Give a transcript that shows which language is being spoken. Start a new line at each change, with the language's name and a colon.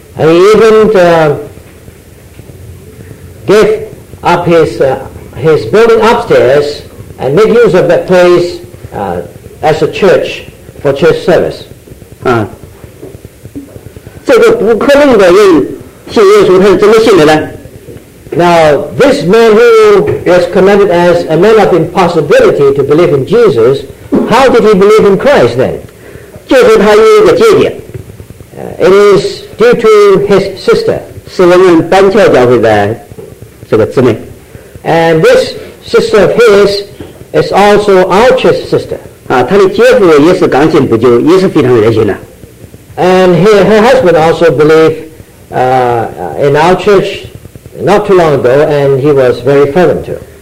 English: And he even gave up his building upstairs and made use of that place as a church for church service.
Chinese: 这个不可能的人信耶稣，他是怎么信的呢？
English: Now, this man who was commended as a man of impossibility to believe in Jesus, how did he believe in Christ then?
Chinese: 就是他有一个姐姐。
English: It is due to his sister.
Chinese: 是我们班教教会的这个姊妹。
English: And this sister of his is also Archer's sister.
Chinese: 她的姐夫也是刚信不久，也是非常热心的。
English: And her husband also believed in our church not too long ago, and he was very fervent too.